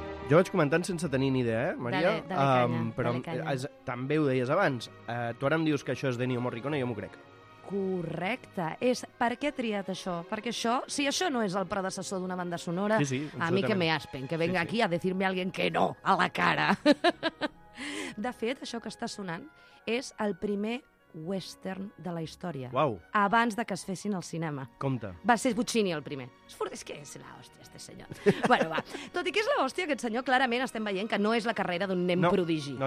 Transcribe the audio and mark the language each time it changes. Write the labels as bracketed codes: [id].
[ca] Jo vaig comentant sense tenir ni idea, Maria. Dale canya. També ho deies abans. Tu ara em dius que això és d'Ennio Morricone, jo m'ho crec. Correcte. És per què he triat això? Perquè això, si això no és el predecessor d'una banda sonora, sí, sí, [es] a mi que me aspen, que venga aquí a decirme a alguien que no, a la cara. [ca] De fet, això que està sonant és el primer western de la història. Uau. Abans de que es fessin al cinema. Compte. Va ser Puccini el primer. És que és l'hòstia, este senyor. Bueno, va. Tot i que és l'hòstia, aquest senyor, clarament estem veient que no és la carrera d'un nen prodigi.